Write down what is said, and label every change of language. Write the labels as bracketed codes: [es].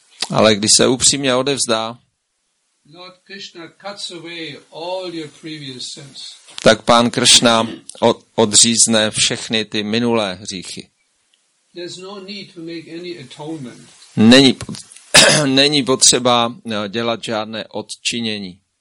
[cs] Ale když se upřímně odevzdá, [en] Lord Krishna cuts away all your previous sins. [cs] Tak pán Krishna odřízne všechny ty minulé hříchy. [en] There's no need to make any atonement. [cs] Není potřeba dělat žádné odčinění.